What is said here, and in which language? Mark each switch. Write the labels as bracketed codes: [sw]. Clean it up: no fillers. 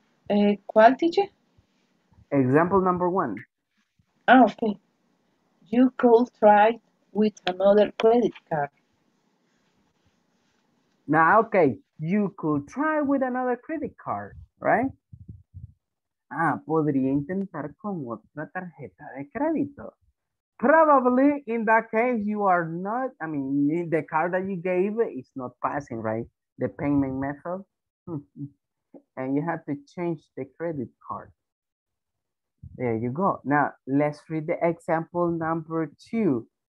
[es] ¿Cuál, teacher? [en] Example number one. Oh, okay. You could try with another credit card. Now, okay. You could try with another credit card, right? [es] Ah, podría intentar con otra tarjeta de crédito. [en] Probably in that case, you are not, I mean, the card that you gave is not passing, right? The payment method. And you have to change the credit card. There you go. Now, let's read the example number two.